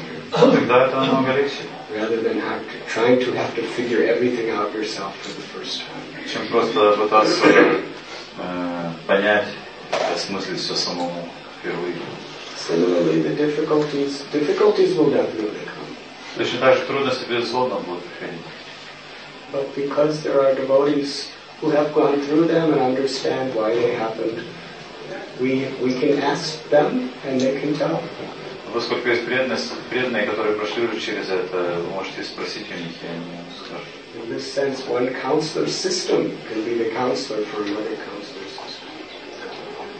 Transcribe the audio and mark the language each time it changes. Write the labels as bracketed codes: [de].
[ru] Тогда это намного легче. Чем просто пытаться понять, осмыслить все самому впервые. [en] Similarly, the difficulties will definitely come. [ru] Точно так же трудности, безусловно, будут приходить. [en] But because there are devotees who have gone through them and understand why they happened, we can ask them and they can tell. [ru] Поскольку есть преданные, которые прошли уже через это, вы можете спросить у них, и они вам скажут. [en] In this sense, one counselor system can be the counselor for another counselor system.